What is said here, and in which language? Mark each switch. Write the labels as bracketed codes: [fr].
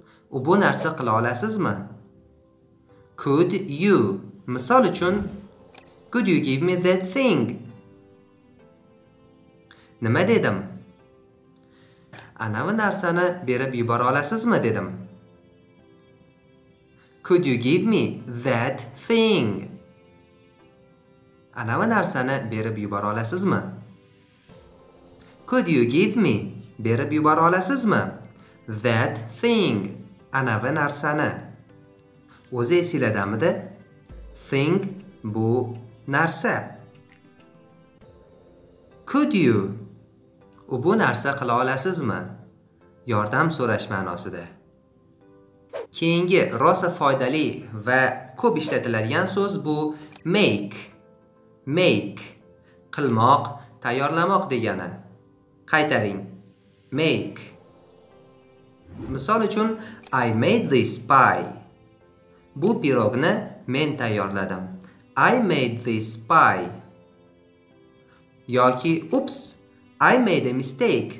[uz] U bu narsa qila olasizmi? [en] Could you? [uz] Misol uchun [en] could you give me that thing? [uz] Nima dedim? Anavi narsani berib yubora olasizmi dedim? [en] Could you give me that thing? [uz] Anavi narsani berib yubora olasizmi? [en] Could you give me [uz] berib yubora olasizmi? [en] That thing. [uz] Anavi narsani. O'zi esingizdami? Thing bu narsa. [en] Could you? [uz] U bu narsa qila olasizmi? Yordam so'rash ma'nosida. Keyingi rosa foydali va ko'p ishlatiladigan so'z bu make. Make qilmoq, tayyorlamoq degani. Qaytaring. Make. Misol uchun [en] I made this pie. [uz] Bu pirogni men tayyorladim. [en] I made this pie. [uz] Yoki [en] oops, I made a mistake.